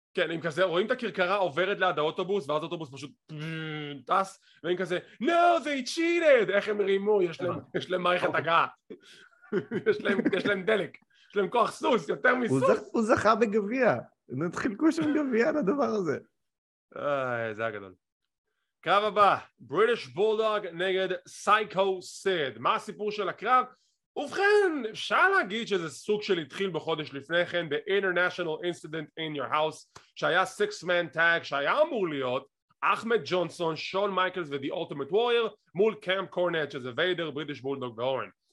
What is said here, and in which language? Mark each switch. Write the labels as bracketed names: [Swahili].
[Hebrew] כן, אם כזה, רואים את הקרקרה עוברת ליד האוטובוס, ואז האוטובוס פשוט טס, ואם כזה, [English] no, they cheated! [Hebrew] איך הם רימו, יש להם מערכת הגעה. יש להם דלק, יש להם כוח סוס, יותר מסוס. הוא זכה בגביע. נתחילקו שם גביע לדבר הזה. אה, זה הגדול. קרב הבא, British Bulldog נגד Psycho Sid. מה הסיפור של הקרב? ובכן, אפשר להגיד שזה סוג של התחיל בחודש לפני כן, ב-International Incident in Your House, שהיה six-man tag, שהיה אמור להיות, אחמד ג'ונסון, שון מייקלס ו-The Ultimate Warrior, מול קמפ קורנט, שזה ויידר, בריטיש בולדוג ואורן.